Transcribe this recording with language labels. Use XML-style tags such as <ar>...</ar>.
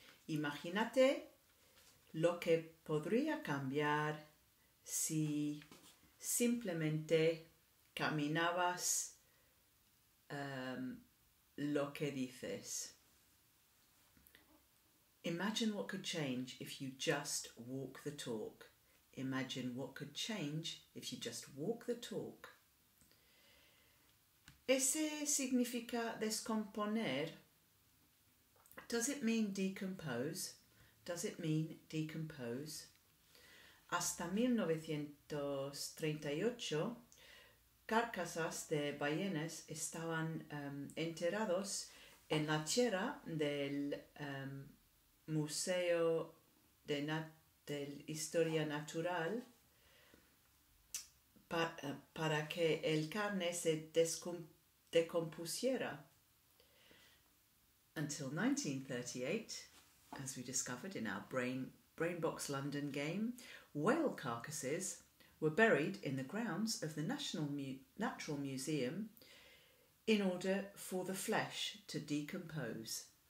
<es>Imagínate lo que podría cambiar si simplemente caminabas lo que dices.</es> <en>Imagine what could change if you just walk the talk. Imagine what could change if you just walk the talk.</en> <es>¿Ese significa descomponer?</es> <en>Does it mean decompose? Does it mean decompose?</en> <es>Hasta 1938, carcasas de ballenas estaban enterrados en la tierra del Museo de Historia Natural para que el carne se decompusiera.</es> <en>Until 1938, as we discovered in our Brain Box London game, whale carcasses were buried in the grounds of the Natural Museum in order for the flesh to decompose.</en>